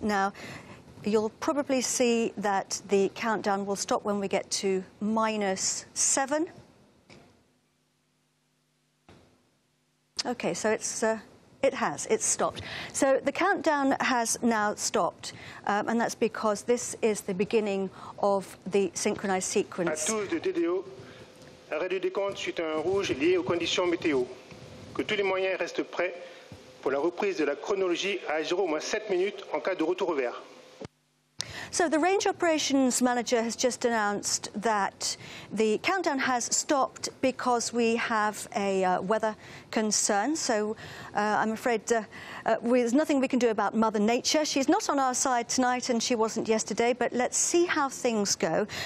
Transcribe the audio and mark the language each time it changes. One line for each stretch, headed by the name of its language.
English: Now, you'll probably see that the countdown will stop when we get to -7. Okay, so it's stopped. So the countdown has now stopped, and that's because this is the beginning of the synchronized sequence.
French: À tous de DDO, arrêt du décompte suite à un rouge lié aux conditions météo. Que tous les moyens restent prêts pour la reprise de la chronologie à 0-7 minutes en cas de retour au vert.
English: So the range operations manager has just announced that the countdown has stopped because we have a weather concern. So I'm afraid there's nothing we can do about Mother Nature. She's not on our side tonight and she wasn't yesterday, but let's see how things go.